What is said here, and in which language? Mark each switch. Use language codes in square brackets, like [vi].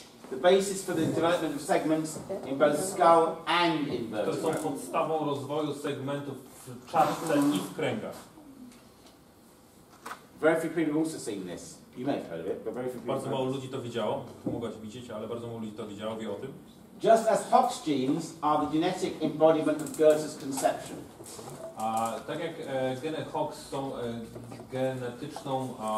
[en] The basis for the development of segments in both skull and in vertebrae. [pl] To są podstawą rozwoju segmentów w czaszce i w kręgach. [en] Very few people have also seen this. You may have heard of it, but very few [pl] bardzo mało ludzi to widziało. Mogłaś widzieć, ale bardzo mało ludzi to widziało, wie o tym. [en] Just as Hox genes are the genetic embodiment of Goethe's conception. [pl] A tak jak geny Hox są genetyczną